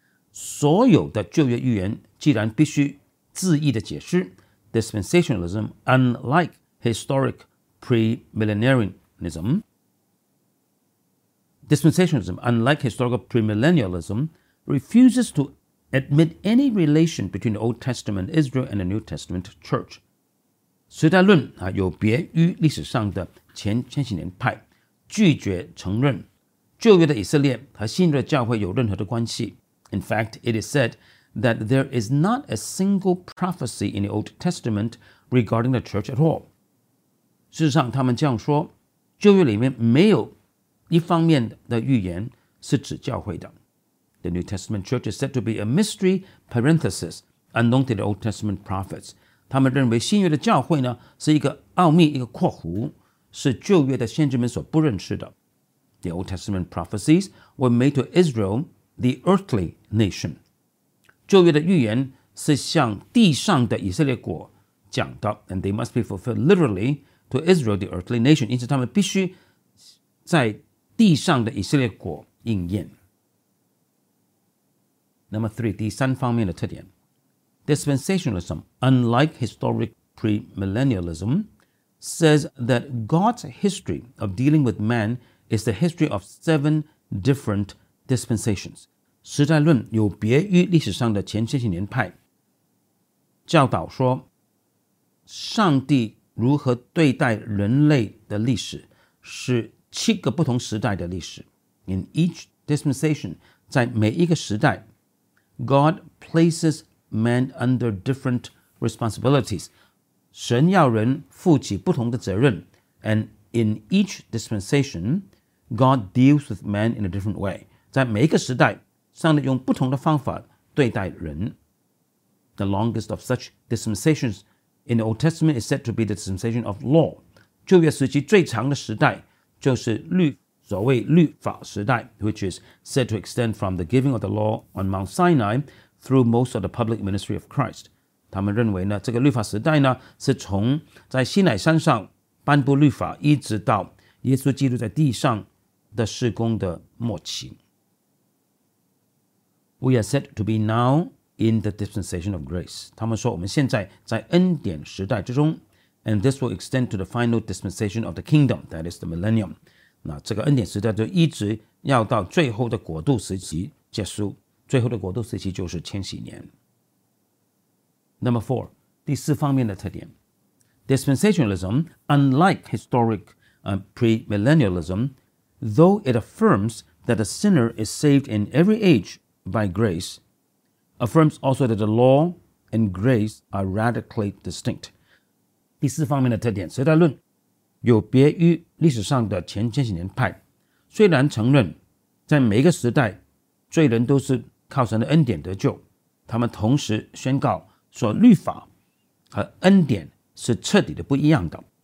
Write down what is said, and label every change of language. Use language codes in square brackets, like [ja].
[zh] 所有的旧约预言既然必须字义的解释 [en] ,dispensationalism, unlike historic premillennialism, dispensationalism, unlike historical premillennialism, refuses to admit any relation between the Old Testament Israel and the New Testament Church. [zh] 实在论有别于历史上的前千禧年派拒绝承认旧约的以色列和新约的教会有任何的关系。 [en] In fact, it is said that there is not a single prophecy in the Old Testament regarding the church at all. [zh] 事实上，他们这样说，旧约里面没有一方面的预言是指教会的。 [en] The New Testament church is said to be a mystery parenthesis unknown to the Old Testament prophets. [zh] 他们认为新约的教会呢是一个奥秘，一个括弧，是旧约的先知们所不认识的。 [en] The Old Testament prophecies were made to Israel, the earthly nation. [zh] 旧约的预言是向地上的以色列国讲的， [en] and they must be fulfilled literally to Israel, the earthly nation. [zh] 因此他们必须在地上的以色列国应验。 [en] Number three, [zh] 第三方面的特点 [en] Dispensationalism, unlike historic premillennialism, says that God's history of dealing with man is the history of seven different dispensations. [zh] 时代论有别于历史上的前千禧年派，教导说上帝如何对待人类的历史是七个不同时代的历史。 [en] In each dispensation, [zh] 在每一个时代， [en] God places man under different responsibilities. [zh] 神要人负起不同的责任。 [en] And in each dispensation, God deals with man in a different way. [zh] 在每一个时代，上帝用不同的方法对待人。 [en] The longest of such dispensations in the Old Testament is said to be the dispensation of law. [zh] 旧约时期最长的时代就是律所谓律法时代， [en] which is said to extend from the giving of the law on Mount Sinai through most of the public ministry of Christ. [zh] 他们认为呢，这个律法时代呢，是从在西乃山上颁布律法，一直到耶稣基督在地上的事工的末期。 [en] We are said to be now in the dispensation of grace. [zh] 他们说我们现在在恩典时代之中， [en] and this will extend to the final dispensation of the kingdom, that is the millennium. [zh] 那这个恩典时代就一直要到最后的国度时期结束，最后的国度时期就是千禧年。 [en] Number four, [zh] 第四方面的特点 [en] Dispensationalism, unlike historic premillennialism, though it affirms that a sinner is saved in every age by grace, affirms also that the law and grace are radically distinct. [zh] 第四方面的特点，时代论有别于历史上的前千禧年派，虽然承认在每一个时代罪人都是靠神的恩典得救，他们同时宣告说律法和恩典是彻底的不一样的。